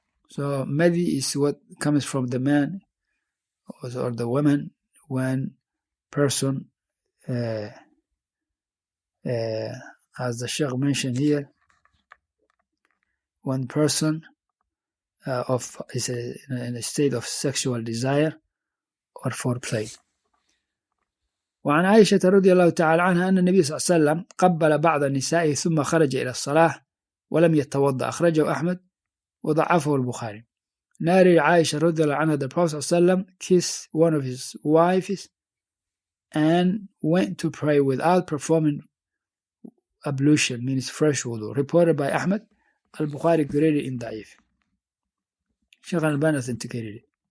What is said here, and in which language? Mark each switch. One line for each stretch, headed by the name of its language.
English: So, madi is what comes from the man or the woman when person, as the Sheikh mentioned here, when person is in a state of sexual desire or foreplay.
Arabic: وعن عائشة رضي الله تعالى عنها أن النبي صلى الله عليه وسلم قبل بعض النساء ثم خرج إلى الصلاة ولم يتوضأ, أخرجه أحمد وضعفه البخاري.
English: ناري عائشة
Arabic: رضي الله عنها,
English: the Prophet
Arabic: صلى الله عليه وسلم
English: kissed one of his wives and went to pray without performing ablution means fresh wudu, reported by Ahmad, al-Bukhari graded in da'if. Sheikh al-Albani authenticated it.